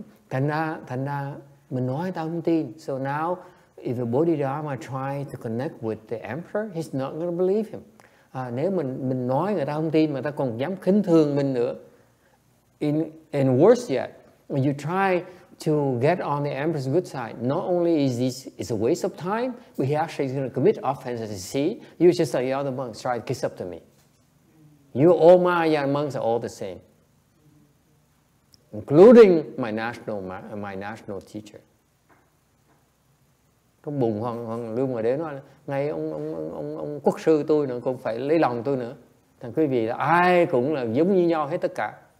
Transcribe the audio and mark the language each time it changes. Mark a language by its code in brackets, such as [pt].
[vi] Thành ra, mình nói tao không tin. [en] So now, if the Bodhidharma try to connect with the emperor, he's not going to believe him. [vi] Nếu mình nói người ta không tin, mà ta còn dám khinh thường mình nữa. [en] And worse yet, when you try to get on the emperor's good side, not only is this is a waste of time, but he actually is going to commit offense. As you see, you just like the other monks, try to kiss up to me. You all Mahayana monks are all the same, including my national teacher. [vi] Trong bụng hoàng lưu mà đến nói là ngay ông quốc sư tôi nữa cũng phải lấy lòng tôi nữa. Thằng quý vị là ai cũng là giống như nhau hết tất cả.